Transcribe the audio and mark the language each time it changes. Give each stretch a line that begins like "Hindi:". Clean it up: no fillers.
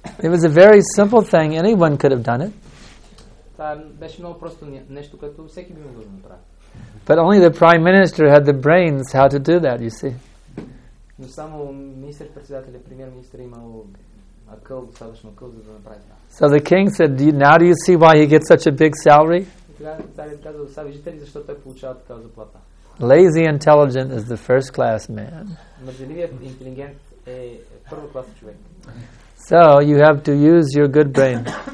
English: It was a very simple thing. Anyone could have done it.
Bulgarian: Това беше много просто нещо, което всеки би могъл да направи.
English: But only the prime minister had the brains how to do that, you see.
Bulgarian: Но само министър-председателя, премьер-министър имал акъл, достатъчно акъл, за да направи това.
English: So the king said, "Now do you see why he gets such a big salary?"
Bulgarian: Царят казал, "Сега виждате ли защо той получава такава заплата?"
English: Lazy intelligent is the first class man.
Bulgarian: Мъжеливият интелигент е първо клас човек.
English: So you have to use your good brain.